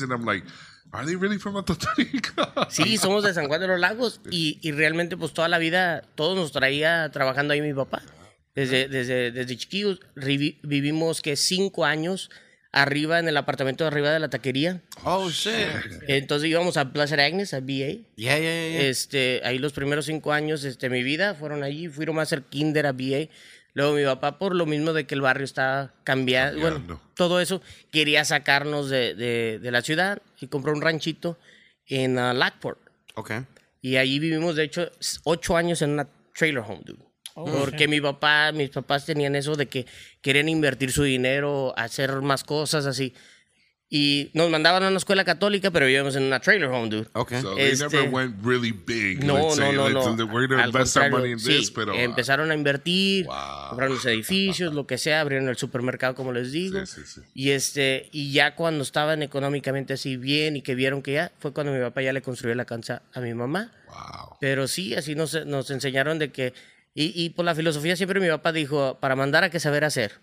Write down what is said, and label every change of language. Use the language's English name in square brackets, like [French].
[English] And I'm like, are they really from Atotonilco? [Spanish] Sí, somos de San Juan de los Lagos y realmente pues toda la vida todos nos traía trabajando ahí mi papá. Desde chiquillos vivimos que 5 años arriba en el apartamento de arriba de la taquería. [English] Oh shit. [Spanish] Entonces íbamos a Plaza Agnes, a VA. Yeah. Ahí los primeros 5 años de mi vida fueron allí, fui a hacer kinder a VA. Luego mi papá, por lo mismo de que el barrio estaba cambiando, bueno, todo eso, quería sacarnos de la ciudad y compró un ranchito en Lockport. Okay. Y ahí vivimos, de hecho, 8 años en una [English] trailer home, dude. [Spanish] Porque mis papás tenían eso de que querían invertir su dinero, hacer más cosas así. Y nos mandaban a una escuela católica, pero vivíamos en una [English] trailer home, dude. Okay. So they never went really big. No. So we're going to invest our money in this, pero... [Spanish] empezaron a invertir, compraron los edificios, lo que sea, abrieron el supermercado, como les digo. Sí. Y ya cuando estaban económicamente así bien y que vieron que ya, fue cuando mi papá ya le construyó la casa a mi mamá. Wow. Pero sí, así nos enseñaron de que... Y por la filosofía siempre mi papá dijo, para mandar hay que saber hacer.